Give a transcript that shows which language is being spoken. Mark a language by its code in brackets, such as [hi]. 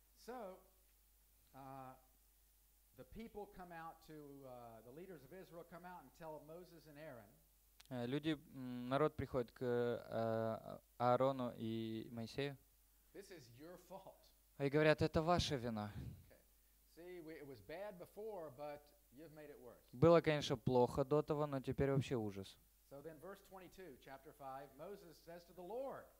[en] So, the people come out to the leaders of Israel come out and tell Moses and Aaron. [ru] Люди, народ приходит к Аарону и Моисею. [en] This is your fault. [ru] И говорят: это ваша вина. [en] Okay. See, it was bad before, but you've made it worse. [ru] Было, конечно, плохо до того, но теперь вообще ужас. [en] So then, verse 22, chapter 5, Moses says to the Lord.